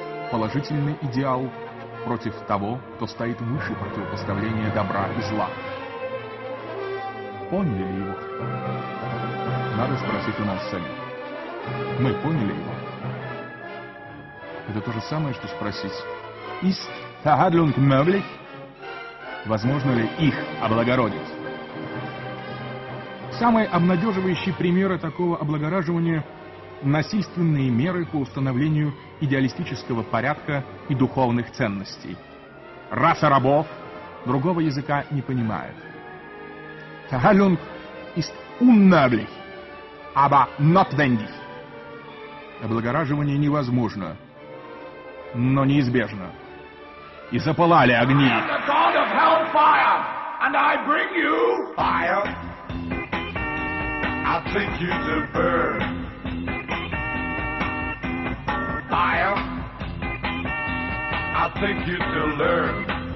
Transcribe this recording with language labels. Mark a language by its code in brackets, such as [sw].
[ru] Положительный идеал против того, кто стоит выше противопоставления добра и зла. Поняли его? Надо спросить у нас самих. Мы поняли его? Это то же самое, что спросить. [de] Ist die Handlung möglich? [ru] Возможно ли их облагородить? Самый обнадеживающий пример такого облагораживания – насильственные меры по установлению идеалистического порядка и духовных ценностей. Раса рабов другого языка не понимает. [de] Die Handlung ist unmöglich, aber notwendig. [ru] Облагораживание невозможно, но неизбежно. И запылали огни. [en] I am the god of hellfire, and I bring you fire. I'll take you to burn. Fire. I'll take you to learn.